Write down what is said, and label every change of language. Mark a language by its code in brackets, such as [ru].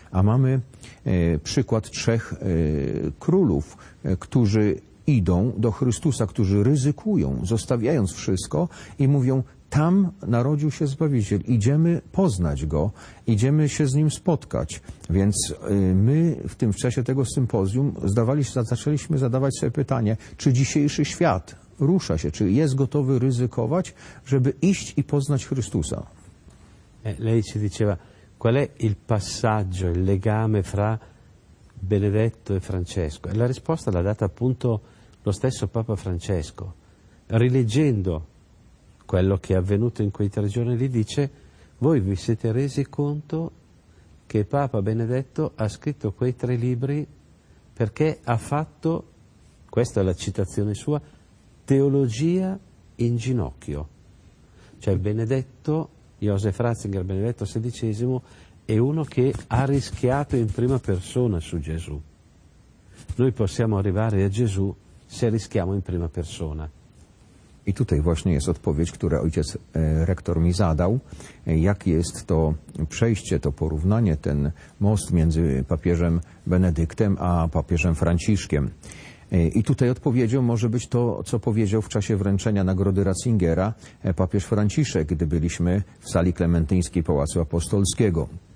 [pl] A mamy przykład trzech królów, którzy idą do Chrystusa, którzy ryzykują, zostawiając wszystko i mówią, tam narodził się Zbawiciel, idziemy poznać Go, idziemy się z Nim spotkać. Więc my w tym czasie tego sympozjum zaczęliśmy zadawać sobie pytanie, czy dzisiejszy świat rusza się, czy jest gotowy ryzykować, żeby iść i poznać Chrystusa. [it] Lei ci diceva, qual è il passaggio, il legame fra Benedetto e Francesco? E la risposta l'ha data appunto lo stesso Papa Francesco, rileggendo quello che è avvenuto in quei tre giorni lì, dice, voi vi siete resi conto che Papa Benedetto ha scritto quei tre libri perché ha fatto, questa è la citazione sua, teologia in ginocchio. Cioè Benedetto, Joseph Ratzinger, Benedetto XVI, è uno che ha rischiato in prima persona su Gesù. Noi possiamo arrivare a Gesù se rischiamo in prima persona. [pl] I tutaj właśnie jest odpowiedź, którą ojciec rektor mi zadał. Jak jest to przejście, to porównanie, ten most między papieżem Benedyktem a papieżem Franciszkiem. I tutaj odpowiedzią może być to, co powiedział w czasie wręczenia Nagrody Ratzingera papież Franciszek, gdy byliśmy w sali klementyńskiej Pałacu Apostolskiego.